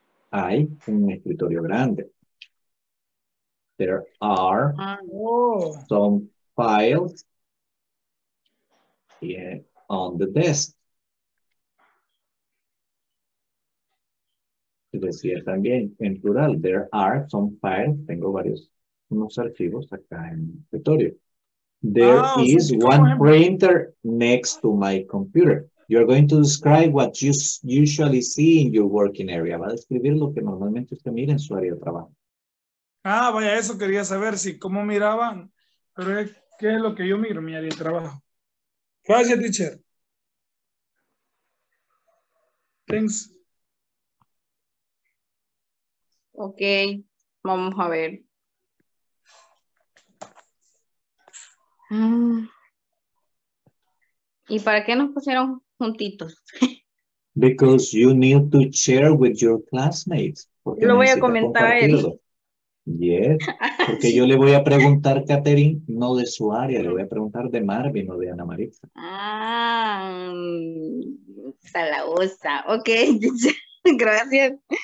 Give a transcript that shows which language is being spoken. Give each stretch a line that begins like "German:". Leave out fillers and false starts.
Spanish: Hay un escritorio grande.
English: There are some files on the desk.
Spanish: Y decía también en plural,
English: there are some files.
Spanish: Tengo varios, unos archivos acá en el escritorio.
English: There is one printer next to my computer. You're going to describe what you usually see in your working area.
Spanish: Va a describir lo que normalmente usted mira en su área de trabajo. Ah, vaya, eso quería saber, si cómo miraban. Pero es, ¿qué es lo que yo miro en mi área de trabajo? Gracias,
English: teacher. Thanks.
Spanish: Ok, vamos a ver. ¿Y para qué nos pusieron... juntitos?
English: Because you need to share with your classmates.
Spanish: Lo voy a comentar a él.
English: Yes.
Spanish: Porque yo le voy a preguntar, Catherine, no de su área, le voy a preguntar de Marvin o de Ana Maritza. Ah, salabosa. Ok, gracias.